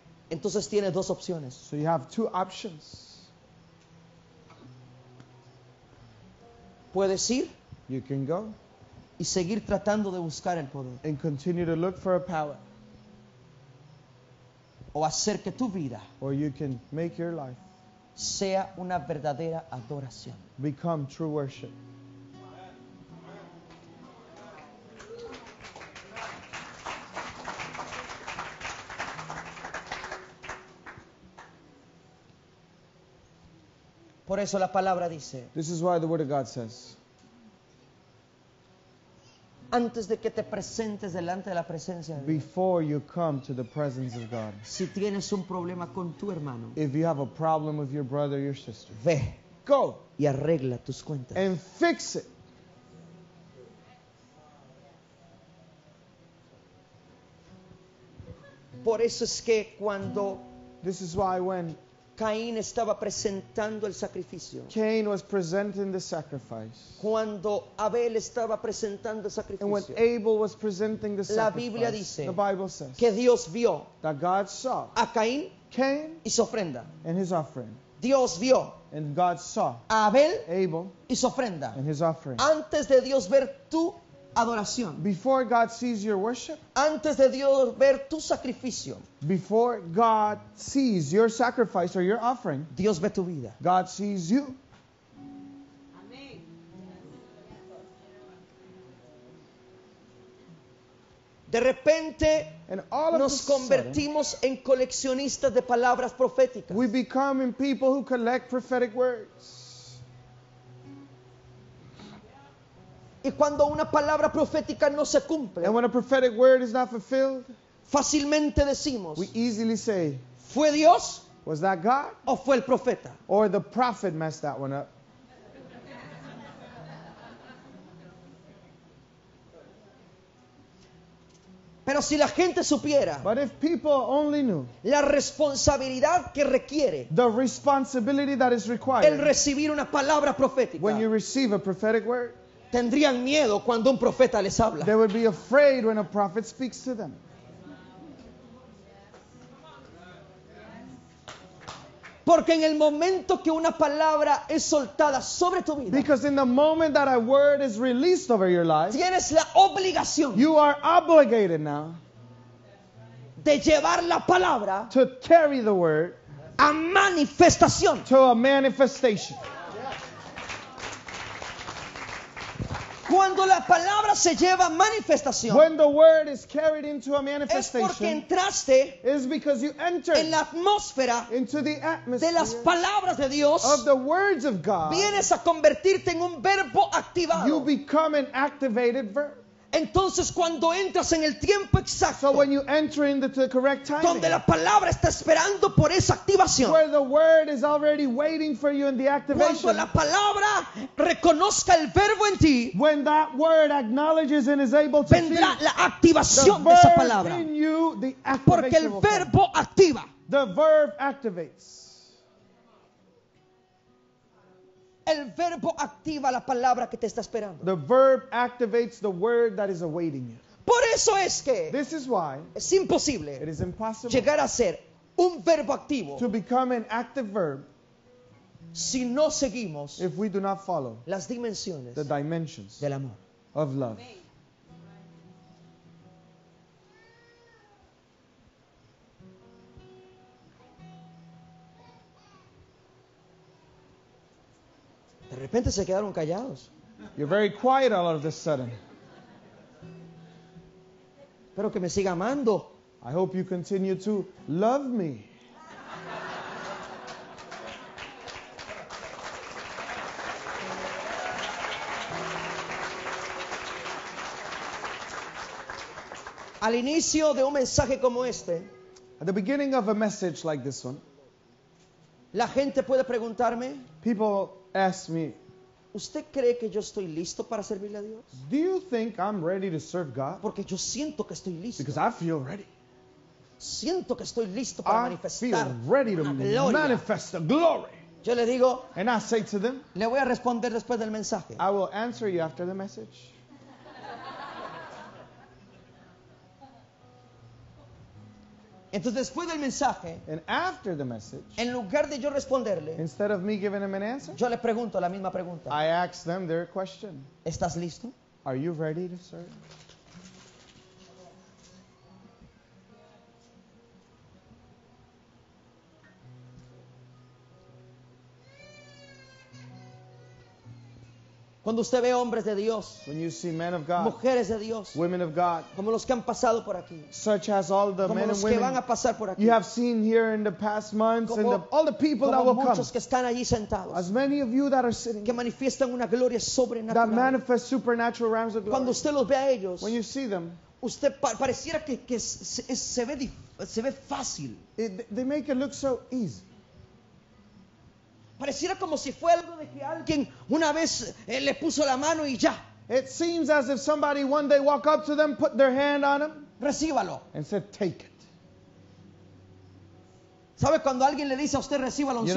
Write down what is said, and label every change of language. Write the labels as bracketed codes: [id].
[es] Entonces tiene dos opciones. [en] So you have two options. [es] Puedes ir. [en] You can go [es] y seguir tratando de buscar el poder. [en] And continue to look for a power. [es] o hacer que tu vida, [en] or you can make your life, [es] sea una verdadera adoración. [en] Become true worship. [es] Por eso la palabra dice. [en] This is why the word of God says. [es] Antes de que te presentes delante de la presencia de Dios. [en] Before you come to the presence of God. [es] Si tienes un problema con tu hermano. [en] If you have a problem with your brother or your sister. [es] Ve. [en] Go. [es] Y arregla tus cuentas. [en] And fix it. [es] Por eso es que cuando. [en] This is why when. [es] Caín estaba presentando el sacrificio. [en] Cain was presenting the sacrifice. [es] Cuando Abel estaba presentando el sacrificio. [en] And when Abel was presenting the sacrifice. [es] La Biblia dice. [en] The Bible says. [es] Que Dios vio. [en] That God saw. [es] A Caín. [en] Cain. [es] Y su ofrenda. [en] And his offering. [es] Dios vio. [en] And God saw. [es] A Abel. [en] Abel. [es] Y su ofrenda. [en] And his offering. [es] Antes de Dios ver tu adoración. [en] Before God sees your worship. [es] Antes de Dios ver tu sacrificio. [en] Before God sees your sacrifice or your offering. [es] Dios ve tu vida. [en] God sees you. [es] Amén. [en] De repente nos convertimos en coleccionistas de palabras proféticas. [es] We become in people who collect prophetic words. [en] Y cuando una palabra profética no se cumple, [es] and when a prophetic word is not fulfilled, [en] fácilmente decimos, [es] we easily say, [en] ¿fue Dios? [es] Was that God? [en] ¿O fue el profeta? [es] Or the prophet messed that one up. [en] Pero si la gente supiera, [es] but if people only knew, [en] la responsabilidad que requiere, [es] the responsibility that is required, [en] el recibir una palabra profética, [es] when you receive a prophetic word, [en] tendrían miedo cuando un profeta les habla. [es] They would be afraid when a prophet speaks to them. [en] Porque en el momento que una palabra es soltada sobre tu vida, [es] because in the moment that a word is released over your life, [en] tienes la obligación, [es] you are obligated now, [en] de llevar la palabra, [es] to carry the word, [en] a manifestación, [es] to a manifestation. [en] Cuando la palabra se lleva a manifestación, [es] when the word is carried into a manifestation, [en] es porque entraste, [es] is because you entered, [en] en la atmósfera, [es] into the atmosphere, [en] de las palabras de Dios, [es] of the words of God, [en] vienes a convertirte en un verbo activado, [es] you become an activated verb. [en] Entonces cuando entras en el tiempo exacto, [es] so when you enter into the correct timing, [en] donde la palabra está esperando por esa activación, [es] where the word is already waiting for you in the activation, [en] cuando la palabra reconozca el verbo en ti, [es] when that word acknowledges and is able to [en] see, vendrá la activación de esa palabra, [es] the verb in you, the activation, [en] porque el verbo activa, [es] the verb activates. [en] El verbo activa la palabra que te está esperando. [es] The verb activates the word that is awaiting you. [en] Por eso es que [es] this is why [en] es imposible, [es] it is impossible, [en] llegar a ser un verbo activo, [es] to become an active verb, [en] si no seguimos, [es] if we do not follow, [en] las dimensiones, [es] the dimensions, [en] del amor, [es] of love. [en] De repente se quedaron callados. [es] You're very quiet all of a sudden. [en] Espero que me siga amando. [es] I hope you continue to love me. [en] Al inicio de un mensaje como este, [es] at the beginning of a message like this one, [en] la gente puede preguntarme, [es] people ask me, [en] ¿usted cree que yo estoy listo para servirle a Dios? [es] Do you think I'm ready to serve God? [en] Porque yo siento que estoy listo. [es] Because I feel ready. [en] Siento que estoy listo para manifestar. [es] I feel ready to manifest the glory. [en] Yo le digo, [es] and I say to them, [en] le voy a responder después del mensaje. [es] I will answer you after the message. [en] Entonces después del mensaje, [es] and after the message, [en] en lugar de yo responderle, [es] instead of me giving them an answer, [en] yo le pregunto la misma pregunta. [es] I ask them their question. [en] ¿Estás listo? [es] Are you ready to serve? [en] Cuando usted ve hombres de Dios, [es] when you see men of God, [en] mujeres de Dios, [es] women of God, [en] como los que han pasado por aquí, [es] such as all the men and women [en] que van a pasar por aquí, [es] you have seen here in the past months, [en] como, [es] and the, all the people that will [en] muchos [es] come, [en] que están allí sentados, [es] as many of you that are sitting, [en] que manifiestan una gloria sobrenatural, [es] that manifest supernatural realms of glory. [en] Cuando usted los ve a ellos, [es] when you see them, [en] usted pareciera que se ve fácil. [es] It, they make it look so easy. [en] Pareciera como si fue algo de que alguien una vez le puso la mano y ya. [es] It seems as if somebody one day walked up to them, put their hand on them. [en] Recíbalo. [es] And said, take it. [en] ¿Sabe cuando alguien le dice a usted, reciba la unción?